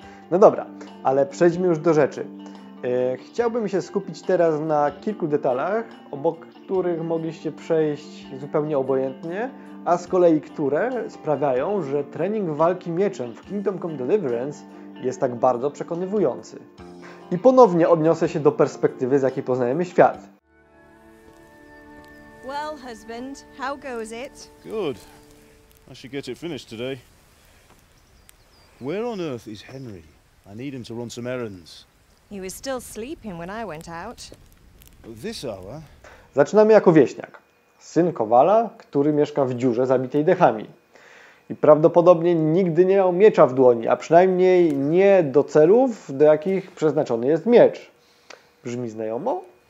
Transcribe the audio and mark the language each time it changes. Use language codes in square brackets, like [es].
[pl] No dobra, ale przejdźmy już do rzeczy. Chciałbym się skupić teraz na kilku detalach, obok których mogliście przejść zupełnie obojętnie, a z kolei które sprawiają, że trening walki mieczem w Kingdom Come Deliverance jest tak bardzo przekonywujący. I ponownie odniosę się do perspektywy, z jakiej poznajemy świat. [en] Well, husband, how goes it? Good. I should get it finished today. Where on earth is Henry? I need him to run some errands. He was still sleeping when I went out. This hour. [pl] Zaczynamy jako wieśniak. Syn kowala, który mieszka w dziurze zabitej dechami. i prawdopodobnie nigdy nie miał miecza w dłoni, a przynajmniej nie do celów, do jakich przeznaczony jest miecz. Brzmi znajomo?